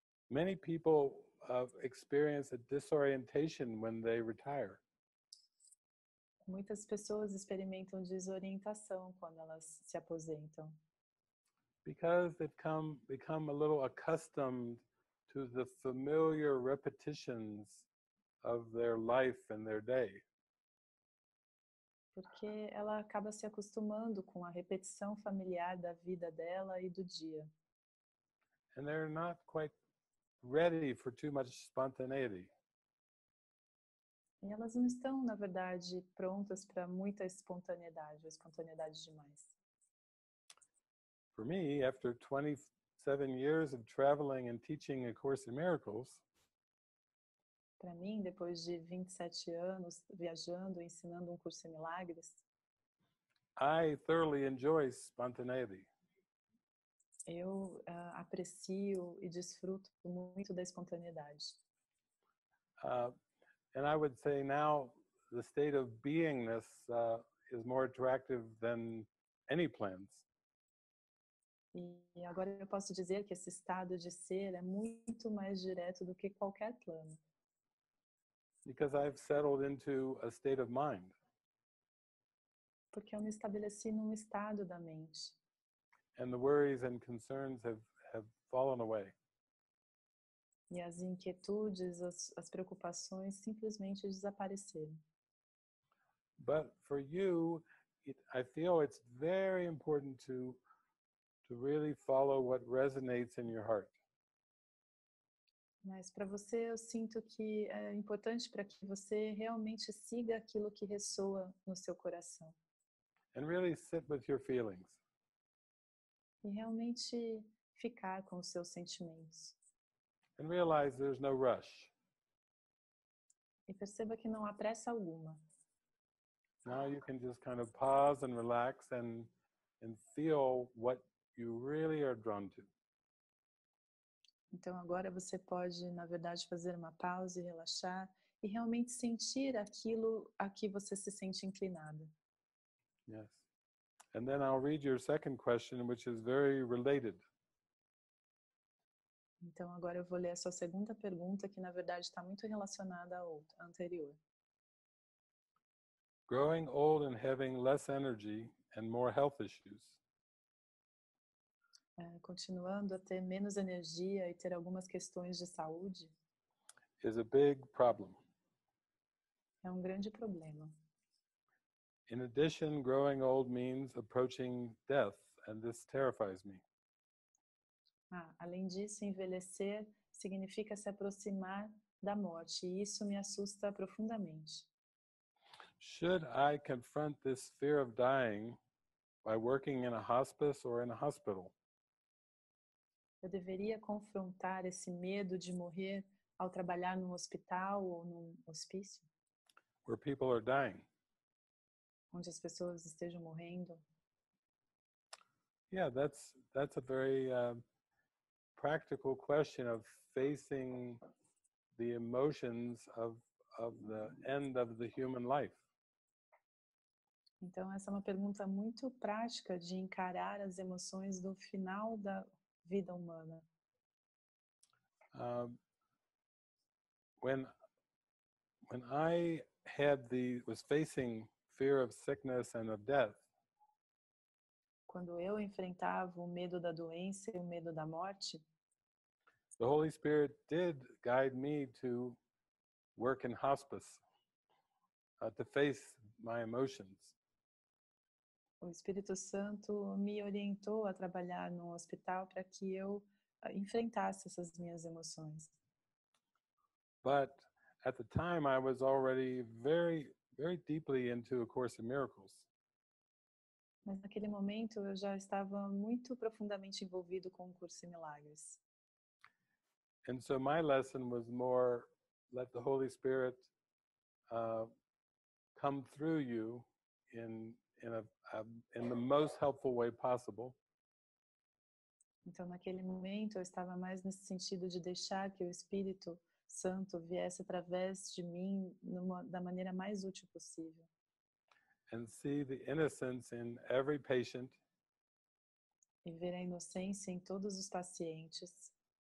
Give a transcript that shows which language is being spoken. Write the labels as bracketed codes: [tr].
[en] Many people experience a disorientation when they retire. [pt] Muitas pessoas experimentam desorientação quando elas se aposentam. [en] Because they've become a little accustomed to the familiar repetitions of their life and their day. [pt] Porque ela acaba se acostumando com a repetição familiar da vida dela e do dia. [en] and they're not quite ready for too much spontaneity. [pt] E elas não estão, na verdade, prontas para muita espontaneidade, ou espontaneidade demais. [en] For me, after 27 years of traveling and teaching A Course in Miracles, [pt] para mim, depois de 27 anos viajando e ensinando Curso em Milagres, [en] I thoroughly enjoy spontaneity. [pt] Eu aprecio e desfruto muito da espontaneidade. [en] And I would say now the state of beingness is more attractive than any plans. [pt] E agora eu posso dizer que esse estado de ser é muito mais direto do que qualquer plano. [en] Because I've settled into a state of mind. [pt] Porque eu me estabeleci num estado da mente. [en] And the worries and concerns have fallen away. [pt] E as inquietudes, as preocupações simplesmente desapareceram. [en] But for you, I feel it's very important to really follow what resonates in your heart. [pt] Mas para você, eu sinto que é importante para que você realmente siga aquilo que ressoa no seu coração. [en] And really sit with your feelings. [pt] E realmente ficar com os seus sentimentos. [en] And realize there's no rush. [pt] E perceba que não há pressa alguma. [en] Now you can just kind of pause and relax and feel what you really are drawn to. [pt] Então agora você pode, na verdade, fazer uma pausa e relaxar e realmente sentir aquilo a que você se sente inclinada. [en] Yes. And then I'll read your second question, which is very related. [pt] Então agora eu vou ler a sua segunda pergunta, que na verdade está muito relacionada à outra, à anterior. [en] Growing old and having less energy and more health issues. [pt] Continuando a ter menos energia e ter algumas questões de saúde. [en] Is a big problem. [pt] É um grande problema. [en] In addition, growing old means approaching death, and this terrifies me. [pt] Além disso, envelhecer significa se aproximar da morte, e isso me assusta profundamente. [en] Should I confront this fear of dying by working in a hospice or in a hospital? [pt] Eu deveria confrontar esse medo de morrer ao trabalhar num hospital ou num hospício? [en] Where people are dying. [pt] Onde as pessoas estejam morrendo. [en] Yeah, that's a very practical question of facing the emotions of the end of the human life. [pt] Então, essa é uma pergunta muito prática de encarar as emoções do final da vida humana. [en] When I had the was facing fear of sickness and of death. [pt] Quando eu enfrentava o medo da doença e o medo da morte, [en] the Holy Spirit did guide me to work in hospice, to face my emotions. [pt] O Espírito Santo me orientou a trabalhar no hospital para que eu enfrentasse essas minhas emoções. [en] But at the time I was already very very deeply into A Course in Miracles. [pt] Mas naquele momento eu já estava muito profundamente envolvido com o Curso em Milagres. [en] And so my lesson was more let the Holy Spirit come through you in the most helpful way possible. [pt] Então naquele momento eu estava mais nesse sentido de deixar que o Espírito Santo viesse através de mim da maneira mais útil possível. [en] And see the innocence in every patient. [pt] E ver a inocência em todos os pacientes.